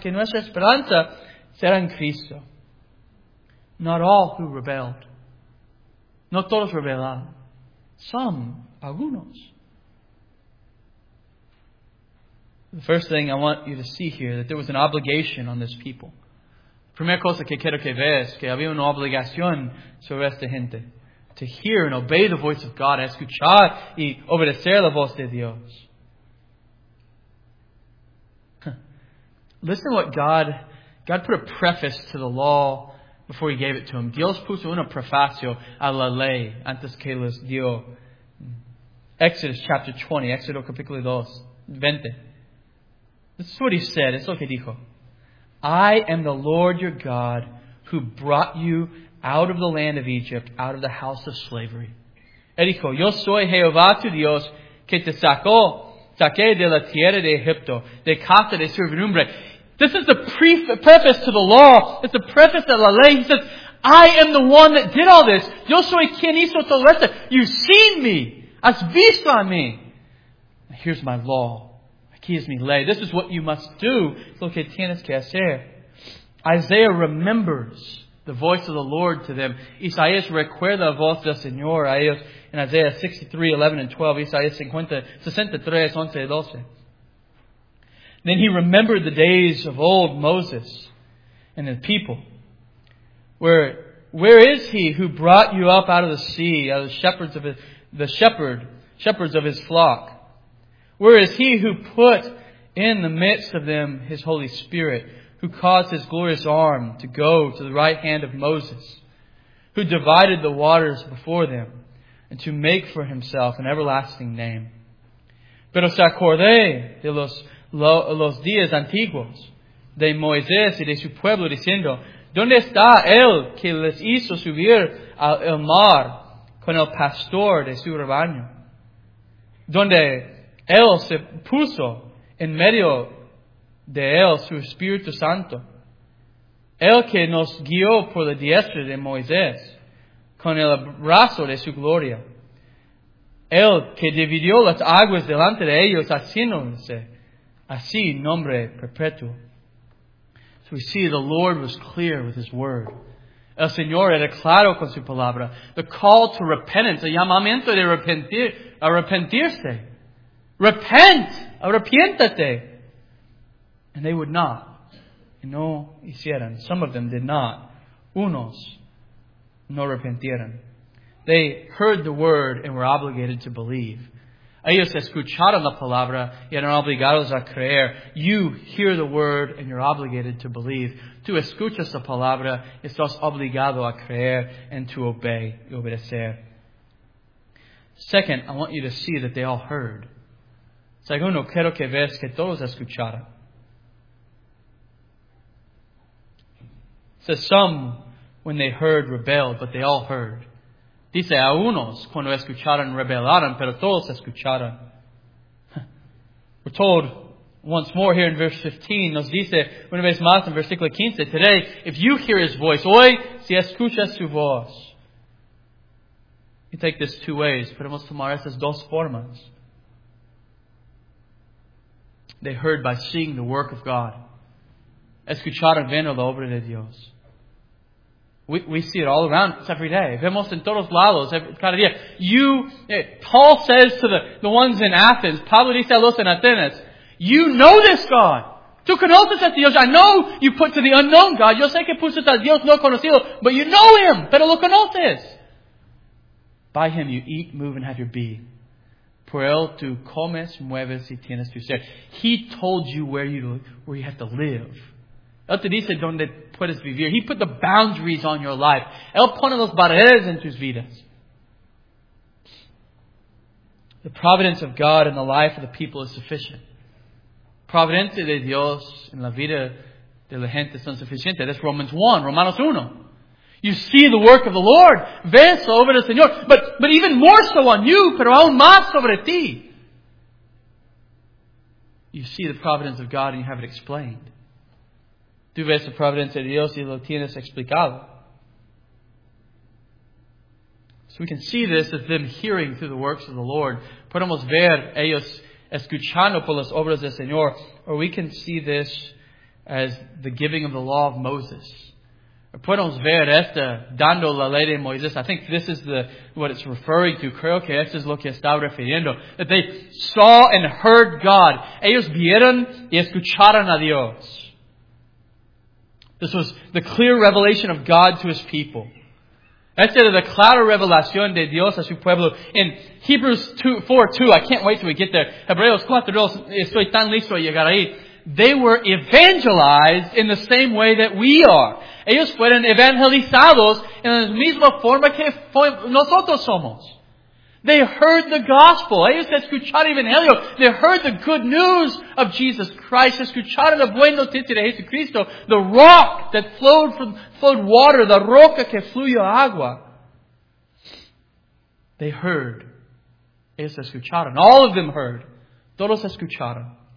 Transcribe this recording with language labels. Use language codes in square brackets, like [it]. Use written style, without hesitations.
[es] Que nuestra esperanza será en Cristo. [en] Not all who rebelled. [es] No todos rebelaron. [en] Some, [es] algunos. [en] The first thing I want you to see here, that there was an obligation on this people. [es] La primera cosa que quiero que veas, que había una obligación sobre esta gente. [en] To hear and obey the voice of God, [es] escuchar y obedecer la voz de Dios. [en] Listen to what God put a preface to the law before he gave it to him. [es] Dios puso una prefacio a la ley antes que les dio. [en] Exodus chapter 20, Exodus capítulo 2, 20. This is what he said. [es] Es lo que dijo. [en] I am the Lord your God who brought you out of the land of Egypt, out of the house of slavery. [es] Él dijo, yo soy Jehová tu Dios que te saqué de la tierra de Egipto, de casa de servidumbre. [en] This is the preface to the law. It's the preface to [es] la ley. [en] He says, I am the one that did all this. [es] Yo soy quien hizo todo esto. [en] You've seen me. [es] Has visto a mí. [en] Here's my law. [es] Aquí es mi ley. [en] This is what you must do. [es] Es lo que tienes que hacer. [en] Isaiah remembers the voice of the Lord to them. [es] Isaías recuerda la voz del Señor a ellos. [en] In Isaiah 63, 11 and 12. [es] Isaías 63, 11 y 12. [en] Then he remembered the days of old Moses and the people. Where is he who brought you up out of the sea, out of the shepherds of his flock? Where is he who put in the midst of them his Holy Spirit, who caused his glorious arm to go to the right hand of Moses, who divided the waters before them, and to make for himself an everlasting name? [es] Pero se acordé de los días antiguos de Moisés y de su pueblo diciendo, ¿Dónde está él que les hizo subir al mar con el pastor de su rebaño? ¿Dónde él se puso en medio de él su Espíritu Santo? Él que nos guió por la diestra de Moisés con el brazo de su gloria. Él que dividió las aguas delante de ellos haciéndose así nombre perpetuo. [en] So we see the Lord was clear with His word. [es] El Señor era claro con su palabra. [en] The call to repentance, [es] el llamamiento de arrepentirse. [en] Repent! [es] Arrepiéntate! [en] And they would not. [es] Y no hicieron. [en] Some of them did not. [es] Unos no arrepentieron. [en] They heard the word and were obligated to believe. [es] Ellos escucharon la palabra y eran obligados a creer. [en] You hear the word and you're obligated to believe. [es] Tú escuchas la palabra y estás obligado a creer [en] and to obey [es] y obedecer. [en] Second, I want you to see that they all heard. [es] Segundo, quiero que veas que todos escucharon. [en] So some, when they heard, rebelled, but they all heard. [es] Dice, a unos, cuando escucharon, rebelaron, pero todos escucharon. [en] We're told once more here in verse 15, [es] nos dice, una vez más en versículo 15, [en] today, if you hear His voice, [es] hoy, si escuchas su voz. [en] You take this two ways. [es] Podemos tomar estas dos formas. [en] They heard by seeing the work of God. [es] Escucharon, viendo la obra de Dios. [en] We see it all around us every day. [es] Vemos en todos lados, cada día. [en] Paul says to the ones in Athens, [es] Pablo dice a los en Atenas, [en] you know this God. [es] Tú conoces a Dios. [en] I know you put to the unknown God. [es] Yo sé que pusiste a Dios no conocido, [en] but you know Him. [es] Pero lo conoces. [en] By Him you eat, move, and have your being. [es] Por él tú comes, mueves, y tienes tu ser. [en] He told you where you have to live. [es] Él te dice dónde puedes vivir. [en] He put the boundaries on your life. [es] Él pone las barreras en tus vidas. [en] The providence of God in the life of the people is sufficient. [es] Providencia de Dios en la vida de la gente son suficientes. [en] That's Romans 1, Romanos 1. You see the work of the Lord. [es] Ves sobre el Señor. [en] But even more so on you, [es] pero aún más sobre ti. [en] You see the providence of God and you have it explained. [es] Tú ves la providencia de Dios y lo tienes explicado. [en] So we can see this as them hearing through the works of the Lord. [es] Podemos ver ellos escuchando por las obras del Señor. [en] Or we can see this as the giving of the law of Moses. [es] Or podemos ver esta dando la ley de Moisés. [en] I think this is what it's referring to. [es] Creo que esto es lo que estaba refiriendo. [en] That they saw and heard God. [es] Ellos vieron y escucharon a Dios. [en] This was the clear revelation of God to His people. [es] Esta era la clara revelación de Dios a su pueblo. [en] In Hebrews 4:2, I can't wait till we get there. [es] Hebreos 4:2, estoy tan listo a llegar ahí. [en] They were evangelized in the same way that we are. [es] Ellos fueron evangelizados en la misma forma que nosotros somos. [en] They heard the gospel. [es] Ellos escucharon evangelio. [en] They heard the good news of Jesus Christ. [es] Escucharon la buena noticia de Jesucristo. [en] The rock that flowed water. [es] The roca que fluyó agua. [en] They heard. [es] Ellos escucharon. [en] All of them heard. [es] Todos escucharon.